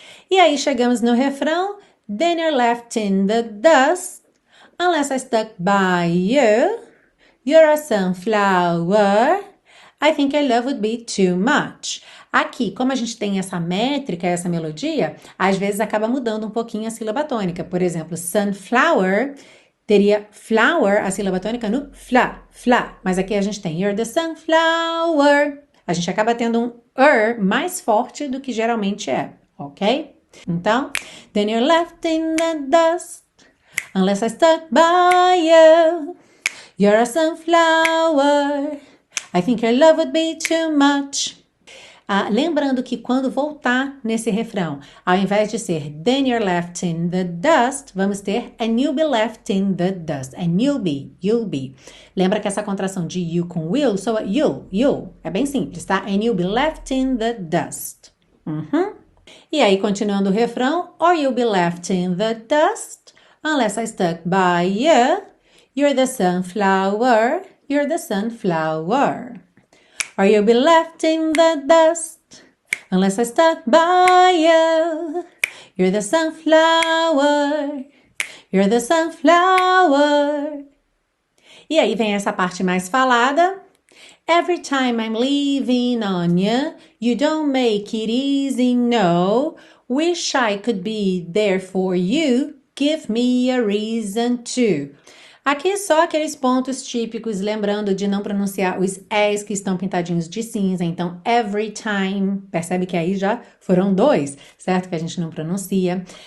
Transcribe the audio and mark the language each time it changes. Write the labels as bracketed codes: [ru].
[pt] E aí chegamos no refrão. [en] Then you're left in the dust, unless I stuck by you. You're a sunflower, I think your love would be too much. [pt] Aqui, como a gente tem essa métrica, essa melodia, às vezes acaba mudando um pouquinho a sílaba tônica. Por exemplo, sunflower teria flower, a sílaba tônica no fla, fla. Mas aqui a gente tem you're the sunflower. A gente acaba tendo um er mais forte do que geralmente é, ok? [en] Então, then you're left in the dust, unless I stuck by you. You're a sunflower, I think your love would be too much. [pt] Ah, lembrando que quando voltar nesse refrão, ao invés de ser then you're left in the dust, vamos ter and you'll be left in the dust. [en] And you'll be. [pt] Lembra que essa contração de you com will soa you. É bem simples, tá? [en] And you'll be left in the dust. Uhum. [pt] E aí, continuando o refrão, [en] or you'll be left in the dust, unless I stuck by you. You're the sunflower, you're the sunflower. Or you'll be left in the dust, unless I stuck by you. You're the sunflower, you're the sunflower. [pt] E aí vem essa parte mais falada. [en] Every time I'm leaving on you, you don't make it easy, no. Wish I could be there for you, give me a reason to. [pt] Aqui só aqueles pontos típicos, lembrando de não pronunciar os S que estão pintadinhos de cinza. Então, every time, percebe que aí já foram dois, certo? Que a gente não pronuncia.